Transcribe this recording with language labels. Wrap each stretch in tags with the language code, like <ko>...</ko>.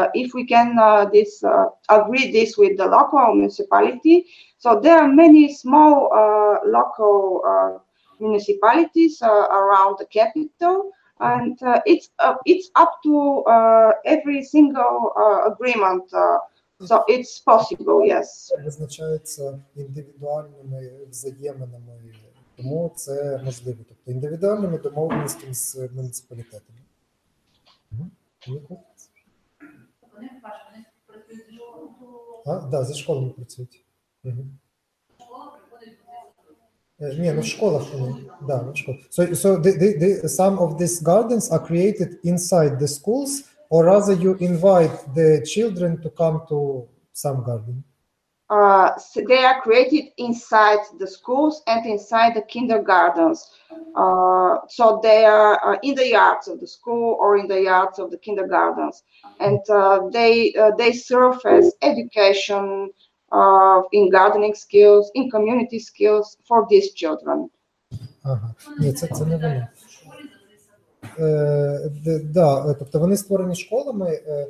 <en>If we can agree this with the local municipality, so there are many small local municipalities around the capital, and it's up to every single agreement. So it's possible, yes.</en> <uk>Визначається індивідуальними взаєминами, тому це можливо. Тобто індивідуальними домовленостями з муніципалітетами. Да, зі школами працюють. Ні, ну в школах вони. Да, в школах.</uk> <en>So the some of these gardens are created inside the schools. Or rather, you invite the children to come to some garden? So they are created inside the schools and inside the kindergartens. So they are in the yards of the school or in the yards of the kindergartens. And they serve as education in gardening skills, in community skills for these children. Uh-huh.</en> <uk>Да, тобто вони створені школами.</uk>